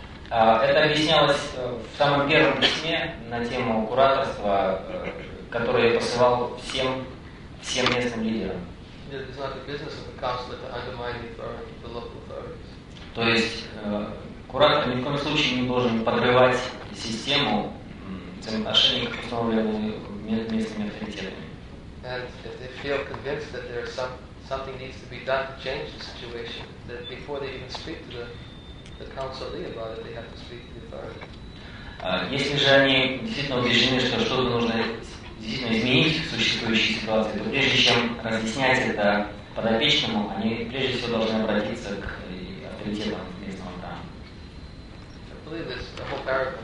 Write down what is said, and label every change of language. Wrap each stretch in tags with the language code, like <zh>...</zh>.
<ru>Это объяснялось в самом первом письме на тему кураторства, которое я посылал всем местным лидерам.</ru> <en>It's not the business of the counselor to undermine the local authorities.</en> <ru>То есть куратор ни в коем случае не должен подрывать систему взаимоотношений, установленные местными авторитетами.</ru> <en>And if they feel convinced that there is something needs to be done to change the situation, that before they even speak to the counselee about it, they have to speak to the authority.</en> <ru>Если же они действительно убеждены, что что-то нужно действительно изменить в существующей ситуации, то прежде чем разъяснять это подопечному, они прежде всего должны обратиться к авторитетам местного храма.</ru>